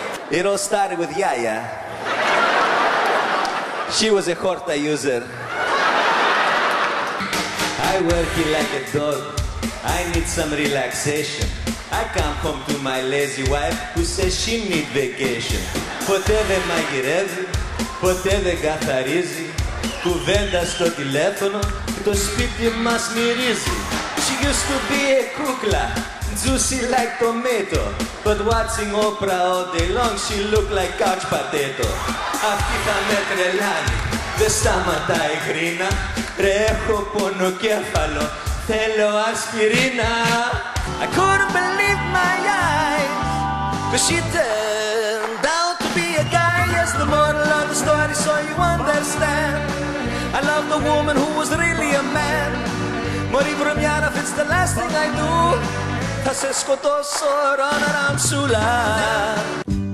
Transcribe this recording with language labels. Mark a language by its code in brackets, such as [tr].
[en] It all started with Yaya. She was a Horta user. I work it like a dog. I need some relaxation. I come home to my lazy wife who says she needs vacation. [el] Ποτέ δεν μαγειρεύει, ποτέ δεν καθαρίζει. Κουβέντα στο τηλέφωνο, το σπίτι μας μυρίζει. [en] She used to be a κούκλα, juicy like tomato. But watching Oprah all day long, she looked like couch potato. [el] Αυτή θα με τρελάνει, δεν σταματάει η γρίνα. Ρε έχω πονοκέφαλο, θέλω ασπιρίνα. [en] I couldn't believe my eyes, cause she turned out to be a guy. Yes, the moral of the story, so you understand. I love the woman who was really a man. [el] Μωρή βρωμιάρα, [en] if it's the last thing I do, [el] θα σε σκοτώσω, [en] run around Σουλά.